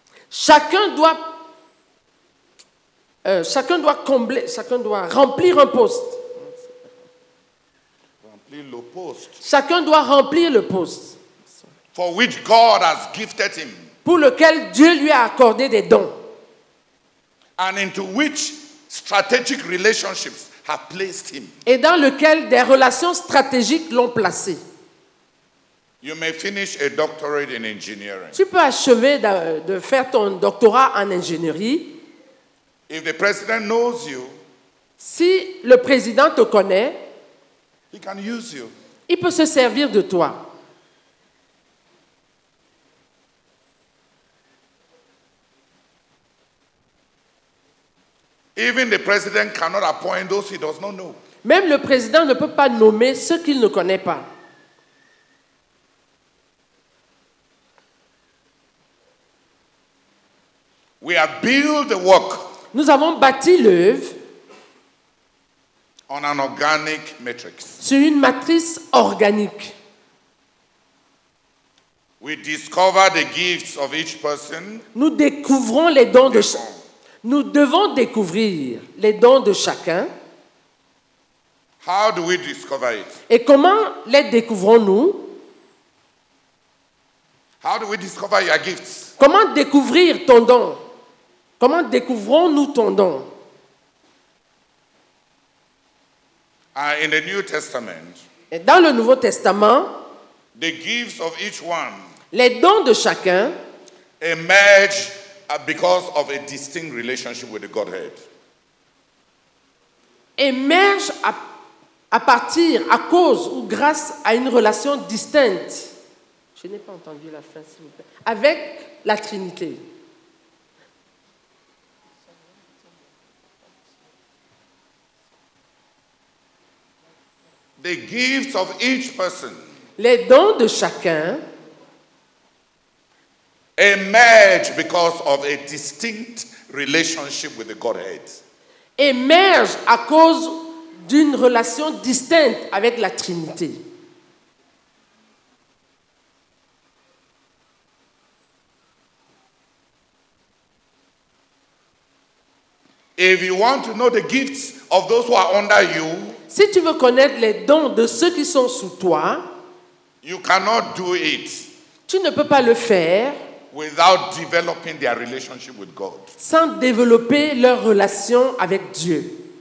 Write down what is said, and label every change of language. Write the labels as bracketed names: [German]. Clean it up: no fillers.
[French] Chacun doit remplir un poste. Remplir le poste. Chacun doit remplir le poste. [English] For which God has gifted him. [French] Pour lequel Dieu lui a accordé des dons. [English] And into which strategic relationships have placed him. [French] Et dans lequel des relations stratégiques l'ont placé. [English] You may finish a doctorate in engineering. [French] Tu peux achever de faire ton doctorat en ingénierie. [English] If the president knows you, [French] si le président te connaît, [English] he can use you. [French] Il peut se servir de toi. [English] Even the president cannot appoint those he does not know. [French] Même le président ne peut pas nommer ceux qu'il ne connaît pas. [English] We have built the work. [French] Nous avons bâti l'œuvre. [English] On an organic matrix. [French] Sur une matrice organique. [English] We discover the gifts of each person. [French] Nous découvrons les dons de chacun. Nous devons découvrir les dons de chacun. [English] How do we discover it? [French] Et comment les découvrons-nous? [English] How do we discover your gifts? [French] Comment découvrir ton don? Comment découvrons-nous ton don? [English] In the New Testament, [French] et dans le Nouveau Testament, [English] the gifts of each one, [French] les dons de chacun émergent. [English] Because of a distinct relationship with the Godhead. [French] Émerge à partir, à cause ou grâce à une relation distincte. Je n'ai pas entendu la fin, s'il vous plaît. Avec la Trinité. [English] The gifts of each person. [French] Les dons de chacun. [English] Emerge because of a distinct relationship with the Godhead. [French] Émerge à cause d'une relation distincte avec la Trinité. [English] If you want to know the gifts of those who are under you, [French] si tu veux connaître les dons de ceux qui sont sous toi, [English] you cannot do it. [French] Tu ne peux pas le faire. [English] Without developing their relationship with God. [French] Sans développer leur relation avec Dieu.